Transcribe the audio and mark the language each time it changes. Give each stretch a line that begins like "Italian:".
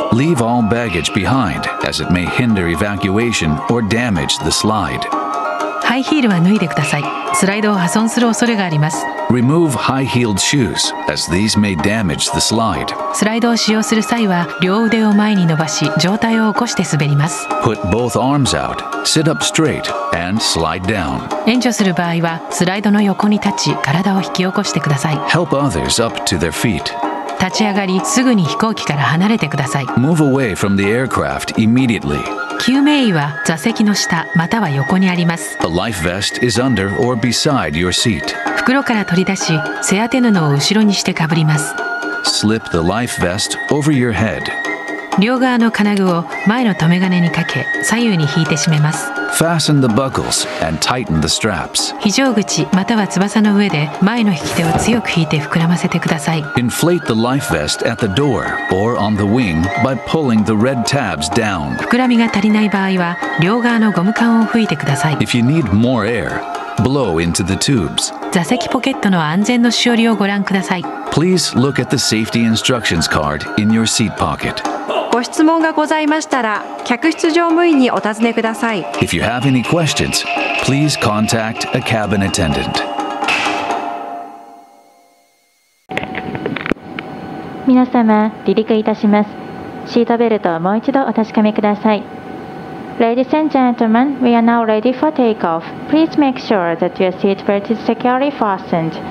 English: Leave all baggage behind, as it may hinder evacuation or damage the slide.
Japanese: ハイヒールは脱いでください。スライドを破損する恐れがあります。
English: Remove high-heeled shoes, as these may damage the slide.
Japanese: スライドを使用する際は、両腕を前に伸ばし、上体を起こして滑ります。
English: Put both arms out, sit up straight, and slide down.
Japanese: 援助する場合は、スライドの横に立ち、体を引き起こしてください。
English: Help others up to their feet.
Japanese: 立ち上がり、すぐに飛行機から離れてください。
English: Move away from the aircraft immediately.
Japanese: 救命衣は座席の下、または横にあります。
English: A life vest is under or beside your seat.
Japanese: 袋から取り出し、背当て布を後ろにしてかぶります。
English: Slip the life vest over your head.
Japanese: 両側の金具を前の留め金にかけ、左右に引いて締めます。
English: Fasten the buckles and tighten the straps.
Japanese: 非常口または翼の上で前の引き手を強く引いて膨らませてください。
English: Inflate the life vest at the door or on the wing by pulling the red tabs down.
Japanese: 膨らみが足りない場合は両側のゴム管を吹いてください。
English: If you need more air, blow into the tubes.
Japanese: 座席ポケットの安全のしおりをご覧ください。
English: Please look at the safety instructions card in your seat pocket.
Japanese: ご質問がございましたら、客室乗務員にお尋ねください。
English: If you have any questions, please contact a cabin attendant.
Japanese: 皆様、離陸いたします。シートベルトをもう一度お確かめください。
English: Ladies and gentlemen, we are now ready for takeoff. Please make sure that your seat belt is securely fastened.